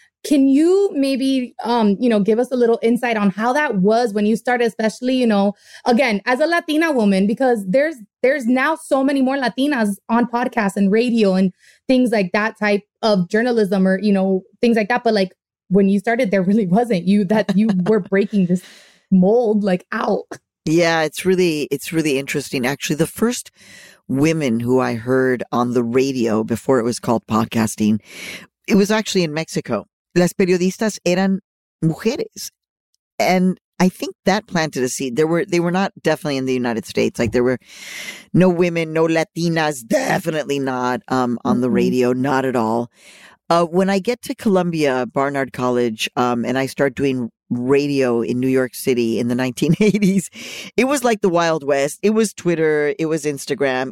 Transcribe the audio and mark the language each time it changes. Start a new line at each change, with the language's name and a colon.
English: Can you maybe, you know, give us a little insight on how that was when you started, especially, you know, again, as a Latina woman, because there's now so many more Latinas on podcasts and radio and things like that type of journalism or, you know, things like that. But like when you started, there really wasn't you were breaking this mold like out. Yeah, it's really interesting. Actually, the first women who I heard on the radio before it was called podcasting, it was actually in Mexico.
Spanish: Las periodistas eran mujeres.
English: And I think that planted a seed. They were not definitely in the United States. Like there were no women, no Latinas, definitely not on the radio, not at all. When I get to Columbia, Barnard College, and I start doing radio in New York City in the 1980s, it was like the Wild West. It was Twitter. It was Instagram.